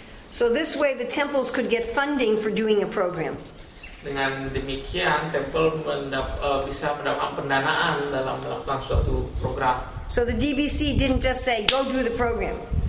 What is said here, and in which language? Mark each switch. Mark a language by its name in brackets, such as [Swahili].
[English] So this way the temples could get funding for doing a program. [Indonesian] Dengan demikian tempel bisa mendapatkan pendanaan dalam melakukan suatu program. [English] So the DBC didn't just say go do the program.